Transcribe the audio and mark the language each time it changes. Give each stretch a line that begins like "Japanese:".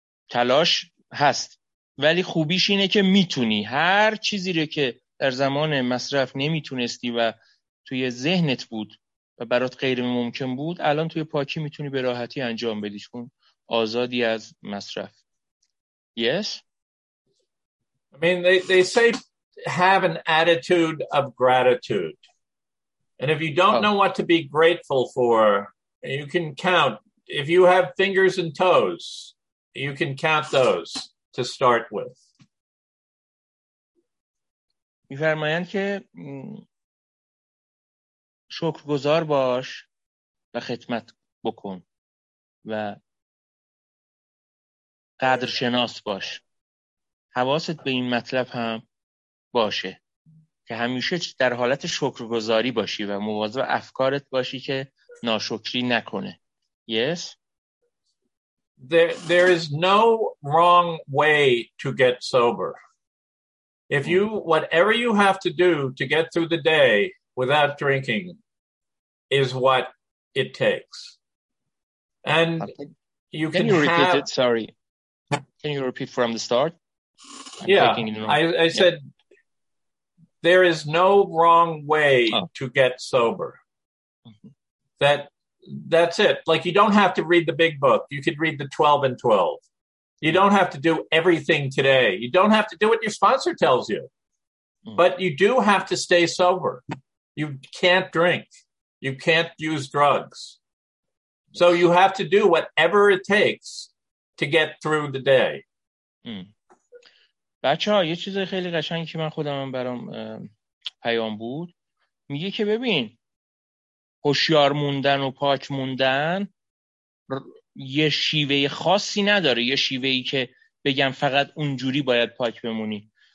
Persian: تلاش هست، ولی خوبیش اینه که میتونی هر چیزی رو که در زمان مصرف نمیتونستی و توی ذهنت بود و برات غیر ممکن بود، الان توی پاکی میتونی به راحتی انجام بدی، چون آزادی از مصرف.
English: Yes? I mean, they say have an attitude of gratitude. And if you don't know what to be grateful for, you can count. If you have fingers and toes, you can count those to start with.
Persian: می‌فرمایند که شکرگزار باش و خدمت بکن و قدرشناس باش. حواست به این مطلب هم باشه که همیشه در حالت شکرگزاری باشی و مواظب افکارت باشی که ناشکری نکنه.
English: Yes? There is no wrong way to get sober. If you, whatever you have to do to get through the day without drinking is what it takes. And you can repeat have... it, sorry. Can you repeat from the start? I said there is no wrong way to get sober. Mm-hmm. That's it. Like you don't have to read the big book. You could read the 12 and 12. You don't have to do everything today. You don't have to do what your sponsor tells you. Mm-hmm. But you do have to stay sober. You can't drink. You can't use drugs. So you have to do whatever it takes to get through the day.
Persian: بچه ها یه چیز خیلی قشنگی که من خودم برام پیام بود میگه که ببین هوشیار موندن و پاک موندن یه شیوه خاصی نداره، یه شیوهی که بگم فقط اونجوری باید پاک بمونی.